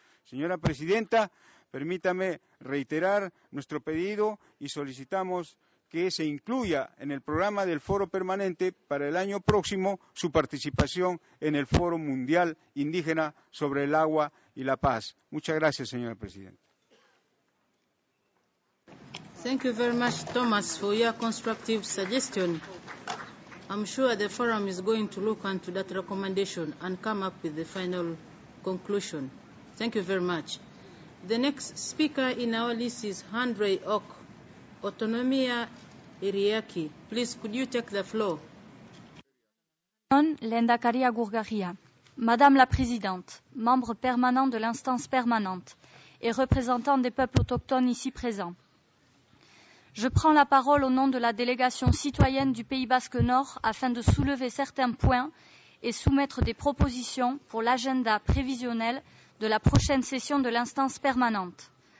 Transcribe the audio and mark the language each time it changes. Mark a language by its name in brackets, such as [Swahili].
[Spanish] Señora Presidenta, permítame reiterar nuestro pedido y solicitamos que se incluya en el programa del Foro Permanente para el año próximo su participación en el Foro Mundial Indígena sobre el Agua y la Paz. Muchas gracias, señora Presidenta. [English] Thank you very much, Thomas, for your constructive suggestion. I'm sure the forum is going to look into that recommendation and come up with the final conclusion. Thank you very much. The next speaker in our list is Andre Ok. Autonomia Iriaki, please could you take the floor? [Basque] Lendakari Agurgaria, [French] Madame la Présidente, membre permanent de l'instance permanente et représentant des peuples autochtones ici présents. Je prends la parole au nom de la délégation citoyenne du Pays Basque Nord afin de soulever certains points et soumettre des propositions pour l'agenda prévisionnel de la prochaine session de l'instance permanente.